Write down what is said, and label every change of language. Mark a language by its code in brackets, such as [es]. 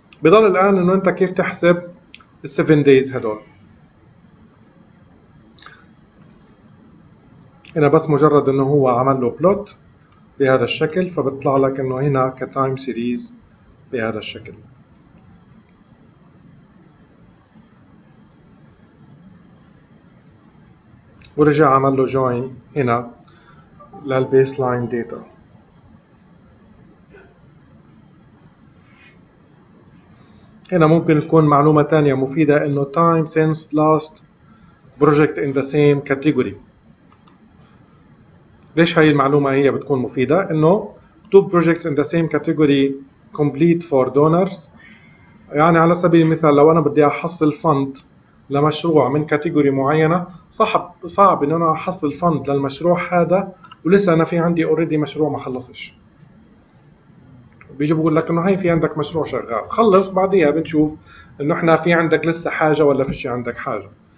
[ar] بضل الآن انه انت كيف تحسب ال 7 days هدول، هنا بس مجرد انه هو عمل له بلوت بهذا الشكل فبطلع لك انه هنا كتايم سيريز بهذا الشكل. ورجع عمل له join هنا لل baseline data. هنا ممكن تكون معلومة تانية مفيدة انه [en] time since last project in the same category. [ar] ليش هاي المعلومة هي بتكون مفيدة؟ انه [en] two projects in the same category complete for donors. [ar] يعني على سبيل المثال لو انا بدي احصل fund لمشروع من كاتيجوري معينة، صعب ان انا احصل فند للمشروع هذا ولسه انا في عندي اوريدي مشروع ما خلصش. بيجي بقول لك انه هاي في عندك مشروع شغال، خلص بعديها بنشوف انه احنا في عندك لسه حاجة ولا فيش عندك حاجة.